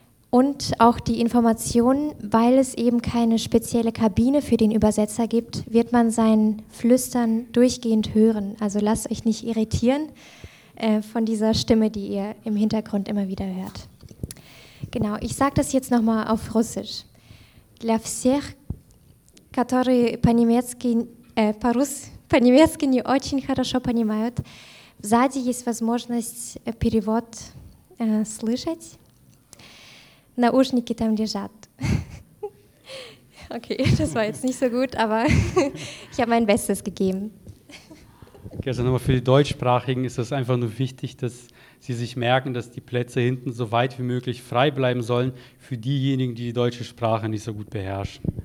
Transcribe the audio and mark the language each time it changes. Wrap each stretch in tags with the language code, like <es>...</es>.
<de>Und auch die Information, weil es eben keine spezielle Kabine für den Übersetzer gibt, wird man sein Flüstern durchgehend hören. Also lasst euch nicht irritieren von dieser Stimme, die ihr im Hintergrund immer wieder hört. Genau, ich sage das jetzt nochmal auf Russisch.</de> <ru>Для всех, которые по-немецки, по-русски не очень хорошо понимают, сзади есть возможность перевод слышать. Наушники там лежат.</ru> <de>Okay, das war jetzt nicht so gut, aber ich habe mein Bestes gegeben. Okay, also nochmal für die Deutschsprachigen ist es einfach nur wichtig, dass sie sich merken, dass die Plätze hinten so weit wie möglich frei bleiben sollen für diejenigen, die die deutsche Sprache nicht so gut beherrschen.</de>